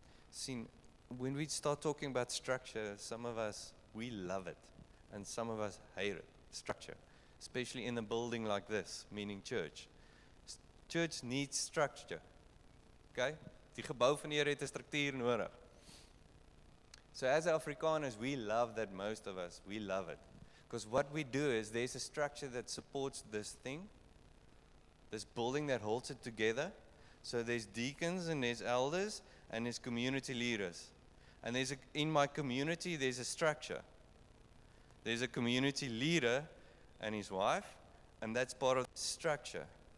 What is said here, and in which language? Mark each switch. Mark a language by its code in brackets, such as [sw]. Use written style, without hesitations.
[en] Sien, when we start talking about structure, some of us, we love it, and some of us hate it, structure, especially in a building like this, meaning church. Church needs structure, okay? [af] Die gebou van die Here het 'n struktuur nodig. [en] So as Afrikaners, we love that most of us, we love it. Because what we do is there's a structure that supports this thing, this building that holds it together. So there's deacons and there's elders and there's community leaders. And there's in my community, there's a structure. There's a community leader and his wife, and that's part of the structure.